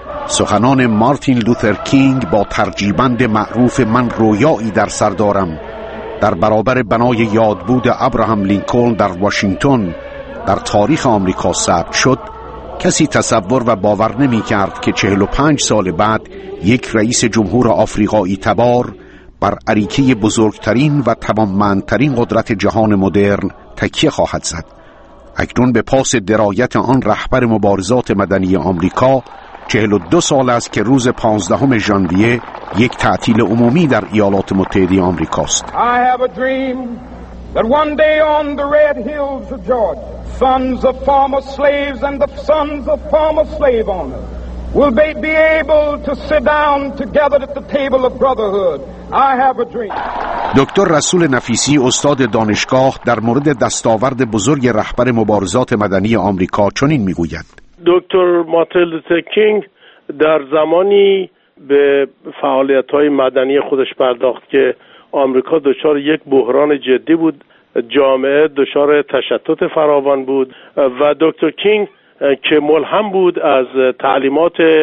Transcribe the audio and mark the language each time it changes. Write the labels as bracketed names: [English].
[Persian] سخنان مارتین لوتر کینگ با ترجیبند معروف من رویایی در سر دارم در برابر بنای یادبود ابراهام لینکلن در واشنگتن در تاریخ آمریکا ثبت شد، کسی تصور و باور نمی کرد که 45 سال بعد یک رئیس جمهور آفریقایی تبار بر اریکه بزرگترین و توانمندترین قدرت جهان مدرن تکیه خواهد زد. اکنون به پاس درایت آن رهبر مبارزات مدنی آمریکا، 42 سال است که روز 15 ژانویه یک تعطیل عمومی در ایالات متحده آمریکا است. [English] I have a dream that one day on the red hills of Georgia, sons of former slaves and the sons of former slave owners will they be able to sit down together at the table of brotherhood. I have a dream. [Persian] دکتر رسول نفیسی، استاد دانشگاه، در مورد دستاورد بزرگ رهبر مبارزات مدنی آمریکا چنین میگوید: دکتر مارتین لوتر کینگ در زمانی به فعالیت‌های مدنی خودش پرداخت که آمریکا دچار یک بحران جدی بود، جامعه دچار تشتت فراوان بود و دکتر کینگ که ملهم بود از تعلیمات